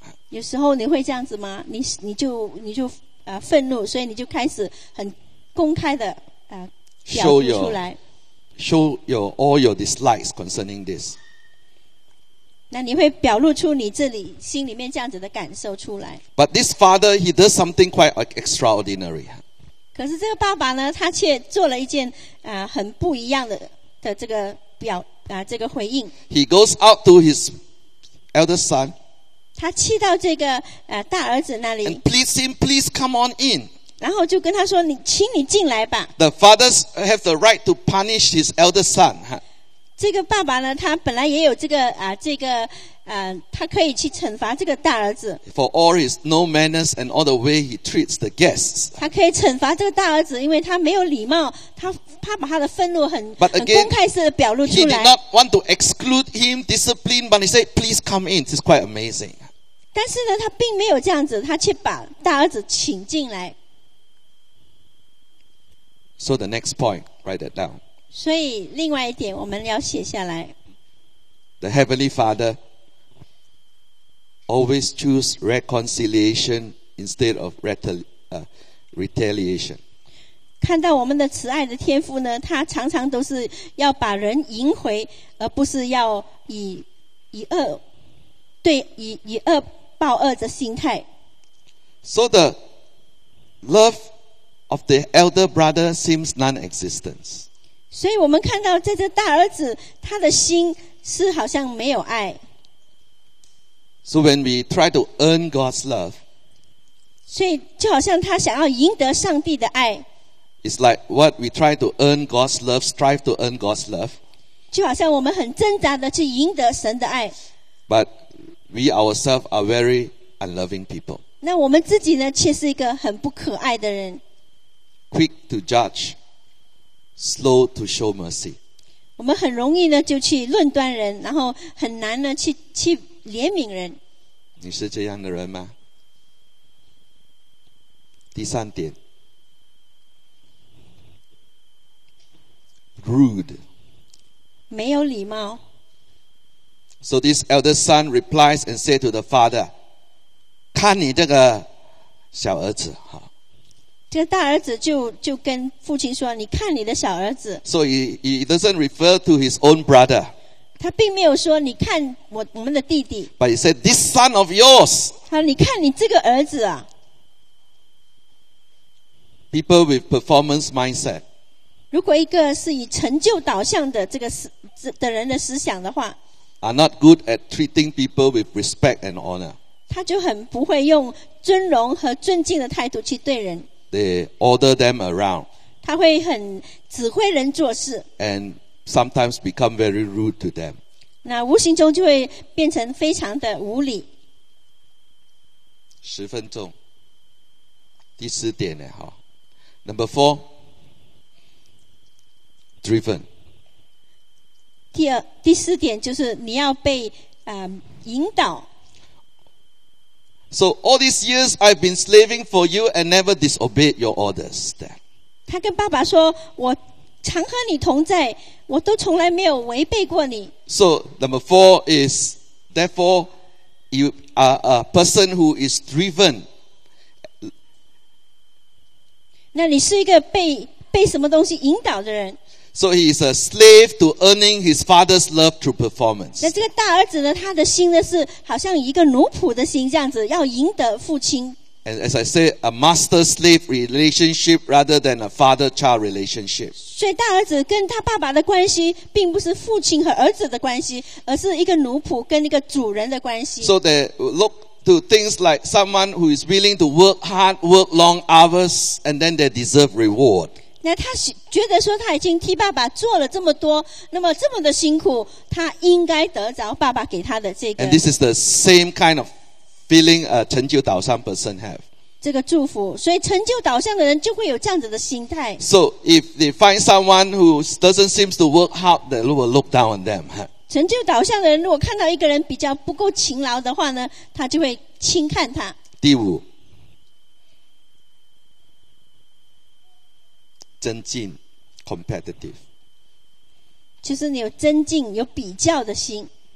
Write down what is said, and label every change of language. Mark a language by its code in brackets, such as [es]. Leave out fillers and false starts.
[zh] 有时候你会这样子吗？你就愤怒，所以你就开始很公开的表露出来 [en] show your all your dislikes concerning this。 [zh] 那你会表露出你这里心里面这样子的感受出来。 [en] But this father, he does something quite extraordinary. [zh] 可是这个爸爸呢，他却做了一件很不一样的这个表这个回应。 [en] He goes out to his elder son. [zh] 他去到这个大儿子那里。 [en] And please him, please come on in. [zh] 然后就跟他说，你请你进来吧。 [en] The fathers have the right to punish his elder son. [zh] 这个爸爸呢，他本来也有这个他可以去惩罚这个大儿子。 [en] For all his no manners and all the way he treats the guests. [zh] 他可以惩罚这个大儿子，因为他没有礼貌，他把他的愤怒很 [en] But again, [zh] 很公开式的表露出来。 [en] He did not want to exclude him, discipline, but he said, "Please come in." It's quite amazing. [zh] 但是呢，他并没有这样子，他却把大儿子请进来。 [en] So the next point, write that down. [zh] 所以另外一点我们要写下来。 [en] The Heavenly Father always choose reconciliation instead of retaliation. [zh] 看到我们的慈爱的天父呢，他常常都是要把人赢回，而不是要以恶报恶的心态。 [en] So the love of the elder brother seems non-existent. [zh] 所以我们看到在这大儿子他的心是好像没有爱。 [en] So when we try to earn God's love, [zh] 所以就好像他想要赢得上帝的爱。 [en] It's like what we try to earn God's love, strive to earn God's love. [zh] 就好像我们很挣扎的去赢得神的爱。 [en] But we ourselves are very unloving people. [zh] 那我们自己呢，却是一个很不可爱的人。 [en] Quick to judge, slow to show mercy. [zh] 我们很容易呢就去论断人，然后很难呢去怜悯人。你是这样的人吗？第三点 ，rude，没有礼貌。 [en] So this elder son replies and said to the father, [zh] 看你这个小儿子哈。这个大儿子就跟父亲说，你看你的小儿子。 [en] So he doesn't refer to his own brother. [zh] 他并没有说你看我们的弟弟。 [en] But he said, this son of yours. [zh] 他说你看你这个儿子啊。 [en] People with performance mindset. [zh] 如果一个是以成就导向的这个的人的思想的话。 [en] Are not good at treating people with respect and honor. [zh] 他就很不会用尊荣和尊敬的态度去对人。 [en] They order them around. [zh] 他会很指挥人做事。 [en] And sometimes become very rude to them. [zh] 那无形中就会变成非常的无礼。十分钟。第四点呢，哈。 [en] Number four. Driven. [zh] 第四点就是你要被引导。 [en] So all these years I've been slaving for you and never disobeyed your orders. [zh] 他跟爸爸说，我常和你同在，我都从来没有违背过你。 [en] So number four is, therefore you are a person who is driven. [zh] 那你是一个被什么东西引导的人。 [en] So he is a slave to earning his father's love through performance. [zh] 那这个大儿子呢，他的心呢是好像一个奴仆的心这样子，要赢得父亲。 [en] And as I said, a master-slave relationship rather than a father-child relationship. [zh] 所以大儿子跟他爸爸的关系并不是父亲和儿子的关系，而是一个奴仆跟一个主人的关系。 [en] So they look to things like someone who is willing to work hard, work long hours, and then they deserve reward. [zh] 那他觉得说他已经替爸爸做了这么多，那么这么的辛苦，他应该得着爸爸给他的这个。 [en] And this is the same kind of feeling a 成就导向 person have. [zh] 这个祝福，所以成就导向的人就会有这样子的心态。 [en] So if they find someone who doesn't seem to work hard, they will look down on them. [zh] 成就导向的人如果看到一个人比较不够勤劳的话呢，他就会轻看他。第五，增进 competitive，就是你有增进有比较的心。